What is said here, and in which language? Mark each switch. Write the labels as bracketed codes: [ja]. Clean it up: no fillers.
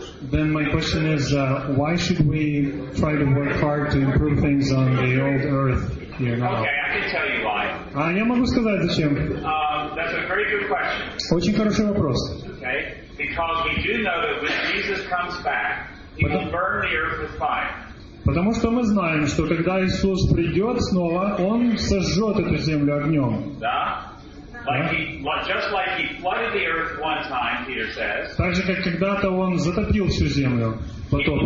[en] Then my question is, why should we try to work hard to improve things on the old earth here now? Okay, I can tell you why. [ru] Я могу сказать, зачем. [en] That's a very good question. [ru] Очень хороший вопрос. [en] Okay, because we do know that when Jesus comes back, he will burn the earth with fire. [ru] Потому что мы знаем, что когда Иисус придет снова, он сожжет эту землю огнем. Да. [en] Just like he flooded the earth one time, Peter says. [ru] Так же, как когда-то он затопил всю землю потоком.